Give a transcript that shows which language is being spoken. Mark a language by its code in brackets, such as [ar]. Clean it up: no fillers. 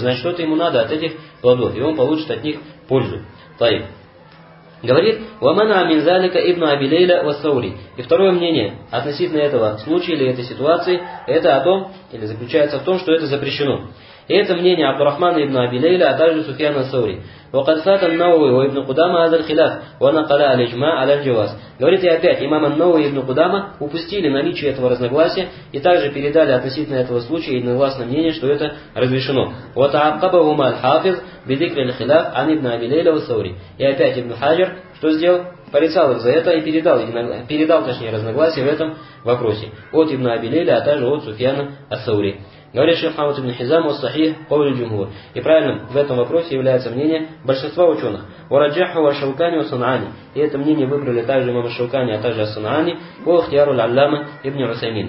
[ru] Значит, что-то ему надо от этих плодов. И он получит от них пользу. Таиб. Говорит Вамана Аминзалика ибн Абилейля Вассаури. И второе мнение относительно этого случая или этой ситуации, это о том, или заключается в том, что это запрещено. И это мнение Абдурахмана ибн Абилейля, а также Суфьяна Ассаури. [ar] وقدفات النووي وابن قدامة هذا الخلاف ونقل الإجماع على الجواز. [ru] Говорит, и опять имам ан-Науи и ибн Кудама упустили наличие этого разногласия и также передали относительно этого случая единогласное мнение, что это разрешено. [ar] Вот وتعقبهما الحافظ بذكر الخلاف عن ابن أبي ليلى والثوري. [ru] И опять ибн Хаджар что сделал? Порицал их за это и передал точнее разногласие в этом вопросе от ибн Аби Лейля, а также от Суфьяна ас-Саури. Говорит шейх Мухаммад ибн Хизам [ar] ас-Сахих кавль аль-Джумхур. [ru] И правильным в этом вопросе является мнение большинства ученых. [ar] Ураджаху аш-Шаукани ва Сунъани. [ru] И это мнение выбрали также имам аш-Шаукани, а также ас-Сунъани, по ихтияру аль-Алляма ибн Усаймин.